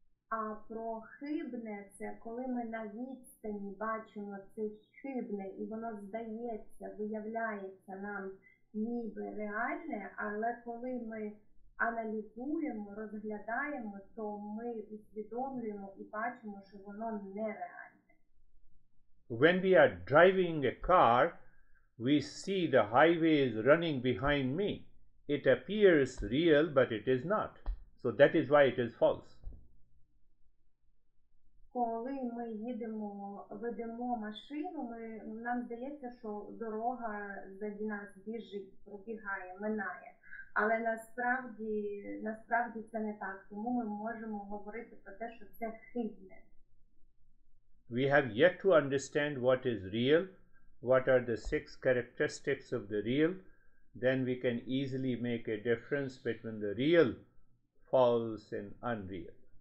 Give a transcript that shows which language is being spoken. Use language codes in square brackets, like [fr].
[uk] А про хибне – це коли ми на відстані бачимо це хибне, і воно здається, виявляється нам ніби реальне, але коли ми аналізуємо, розглядаємо, то ми усвідомлюємо і бачимо, що воно нереальне. [en] When we are driving a car, we see the highway is running behind me. It appears real, but it is not. So that is why it is false. [uk] Коли ми їдемо, ведемо машину, нам здається, що дорога заді нас біжить, пробігає, минає. Але насправді це не так. Тому ми можемо говорити про те, що це хибне. [en] We have yet to understand what is real, what are the six characteristics of the real. Then we can easily make a difference between the real, false and unreal.